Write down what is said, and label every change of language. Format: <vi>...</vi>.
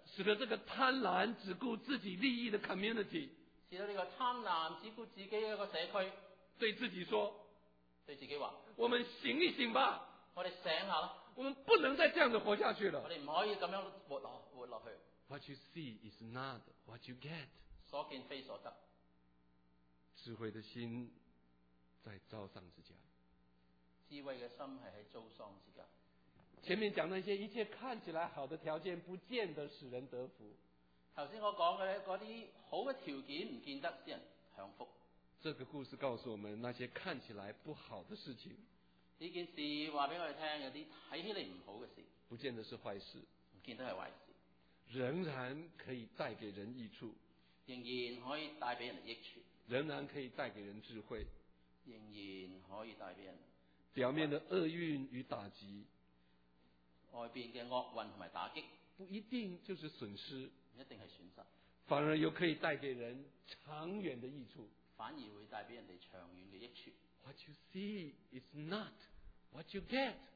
<zh>使得这个贪婪只顾自己利益的 community，使得这个贪婪只顾自己的一个社区，对自己说，对自己说，我们醒一醒吧，我们醒下，我们不能再这样子活下去了，我们不可以这样活下去。</zh> <en>What you see is not what you get，</en> <zh>所见非所得。智慧的心在遭丧之家。智慧的心是在遭丧之家。前面讲那些一切看起来好的条件不见得使人得福。刚才我讲的那些好的条件不见得使人享福。这个故事告诉我们那些看起来不好的事情。这件事告诉我们有些看起来不好的事。不见得是坏事。不见得是坏事。仍然可以带给人益处。仍然可以带给人益处。仍然可以带给人智慧。仍然可以带给人。表面的厄运与打击。外面的恶运和打击。不一定就是损失。一定是损失。反而又可以带给人长远的益处。反而会带给人长远的益处。</zh> <en>What you see is not what you get.</en>